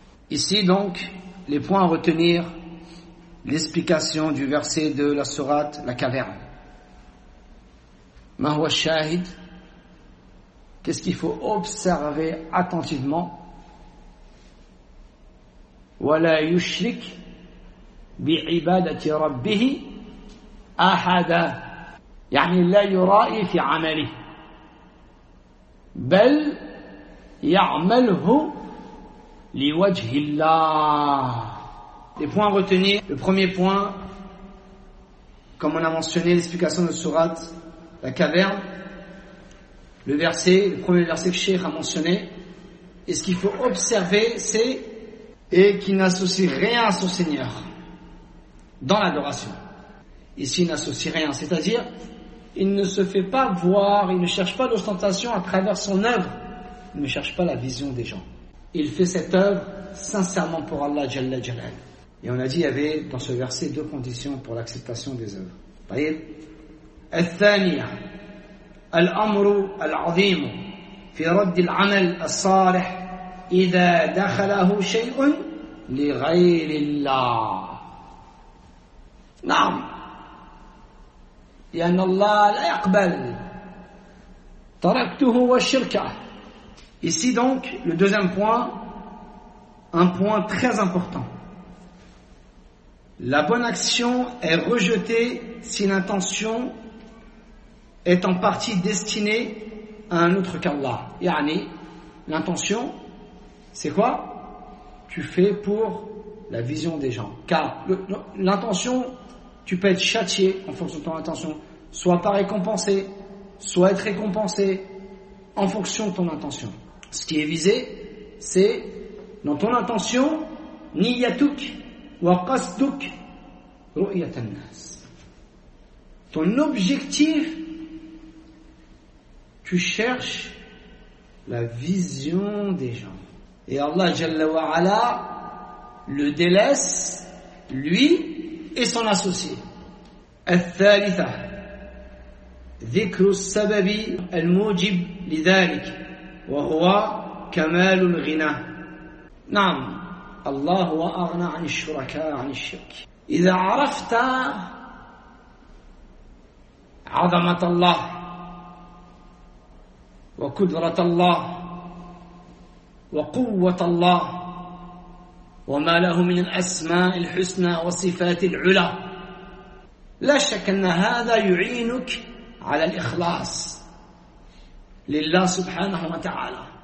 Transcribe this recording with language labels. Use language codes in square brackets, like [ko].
[fr] Ici donc les points à retenir, l'explication du verset de la sourate La Caverne. [ar] ما هو الشاهد؟ [fr] Qu'est-ce qu'il faut observer attentivement? [ar] ولا يشرك بعبادة ربه أحدا يعني لا يرائي في عمله بل يعمله لوجه الله. [fr] Les points à retenir. Le premier point, comme on a mentionné l'explication de Sourate La Caverne, le verset, le premier verset que Cheikh a mentionné, et ce qu'il faut observer, c'est et qui n'associe rien à son Seigneur dans l'adoration. Ici, il n'associe rien, c'est-à-dire, il ne se fait pas voir, il ne cherche pas l'ostentation à travers son œuvre, il ne cherche pas la vision des gens. Il fait cette œuvre sincèrement pour Allah Jalla Jalal. Et on a dit, il y avait dans ce verset deux conditions pour l'acceptation des œuvres. Voyez. [ar] الثانيه الامر العظيم في رد العمل الصالح اذا دخله شيء لغير الله نعم لان الله لا يقبل تركته والشركة. [fr] Ici donc le deuxième point, un point très important. La bonne action est rejetée si l'intention est en partie destiné à un autre qu'Allah. Yani, l'intention, c'est quoi? Tu fais pour la vision des gens. Car l'intention, tu peux être châtié en fonction de ton intention. Soit pas récompensé, soit être récompensé en fonction de ton intention. Ce qui est visé, c'est dans ton intention, [ar] niyatuk wa qasduk ru'yat an-nas. [fr] Ton objectif, tu cherches la vision des gens. Et Allah Jalla wa Ala le délaisse, lui et son associé. [ar] الثالثة ذكر السبب الموجب لذلك وهو كمال الغنى. نعم الله هو أغنى عن الشركاء عن الشرك. إذا عرفت عظمة الله وقدرة الله وقوة الله وما له من الأسماء الحسنى وصفات العلى لا شك أن هذا يعينك على الإخلاص لله سبحانه وتعالى.